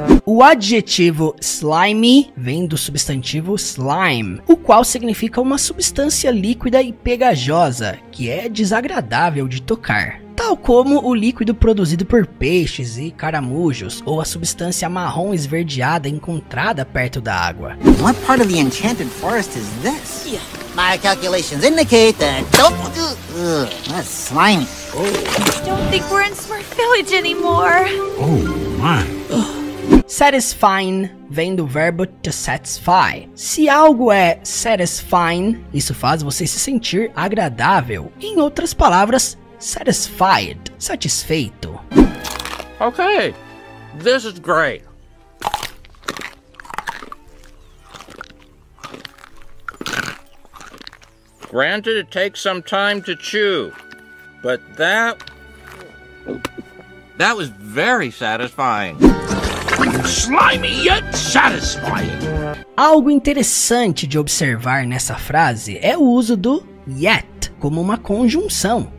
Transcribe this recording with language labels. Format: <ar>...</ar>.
<pt>O adjetivo slimy vem do substantivo slime, o qual significa uma substância líquida e pegajosa, que é desagradável de tocar. Tal como o líquido produzido por peixes e caramujos, ou a substância marrom esverdeada encontrada perto da água.</pt> <en>What part of the enchanted forest is this? Yeah. My calculations indicate that... that's slimy. Oh. I don't think we're in Smurf Village anymore. Oh, my.</en> <pt>Satisfying vem do verbo to satisfy. Se algo é satisfying, isso faz você se sentir agradável. Em outras palavras, satisfied, satisfeito.</pt> <en>Okay, this is great. Granted, it takes some time to chew, but that was very satisfying. Slimy yet satisfying.</en> <pt>Algo interessante de observar nessa frase é o uso do yet como uma conjunção.</pt>